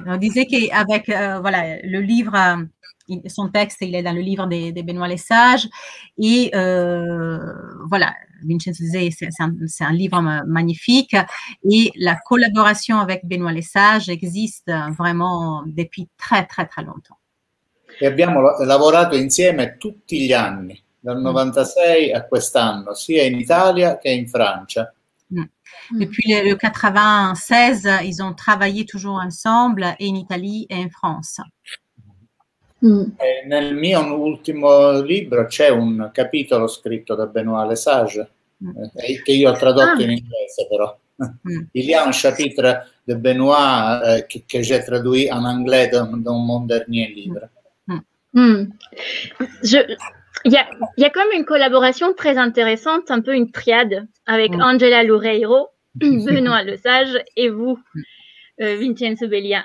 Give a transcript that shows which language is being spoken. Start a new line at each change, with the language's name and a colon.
French: On disait que avec voilà le livre, son texte, il est dans le livre de Benoît Lesage et voilà. Vincenzo disait, c'est un livre magnifique et la collaboration avec Benoît Lesage existe vraiment depuis très très très longtemps.
Italian: Et abbiamo lavorato insieme tutti gli anni, dal 96 a quest'anno, sia in Italia che in Francia.
French: Depuis le 96, ils ont travaillé toujours ensemble
Italian: in Italia e in Francia. E nel mio ultimo libro c'è un capitolo scritto da Benoît Lesage. Che io ho tradotto in inglese però.
French: Il y a un chapitre de Benoît che j'ai traduit en anglais dans mon dernier livre. Il y a comme une collaboration très intéressante, un peu une triade avec Angela Loureiro, Benoît Lesage et vous, Vincenzo Bellia.